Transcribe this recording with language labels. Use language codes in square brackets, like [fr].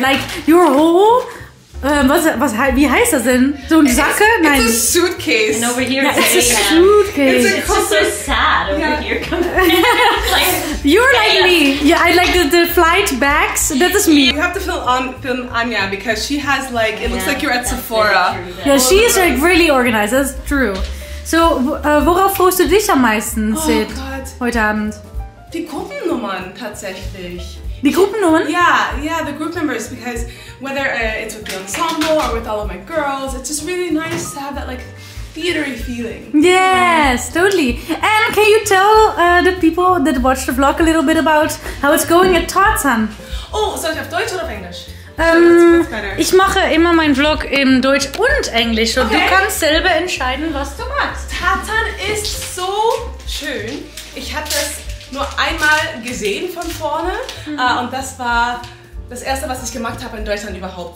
[en] Like, your whole... [de] wie heißt das denn? So eine Sacke? Nein. [en] It's a suitcase. And over here it's a suitcase. It's just so sad over here. Like, you're like me. Yeah, I like the flight bags. That is me. You have to film Anja because she has like... It looks like you're at Sephora. Yeah, she is like really organized. That's true. [de] So, worauf freust du dich am meisten, Sid, heute Abend? Die Gruppennummern, tatsächlich. Die Gruppennummern? [en] Yeah, the group members, because whether it's with the ensemble or with all of my girls, it's just really nice to have that, like, theatery feeling. Yes, totally. And can you tell the people that watch the vlog a little bit about how it's going at Tarzan? [de] Oh, soll ich auf Deutsch oder auf Englisch? Ich mache immer meinen Vlog in Deutsch und Englisch und du kannst selber entscheiden, was du machst. Tarzan ist so schön. Ich habe das nur einmal gesehen von vorne und das war das erste, was ich gemacht habe in Deutschland überhaupt.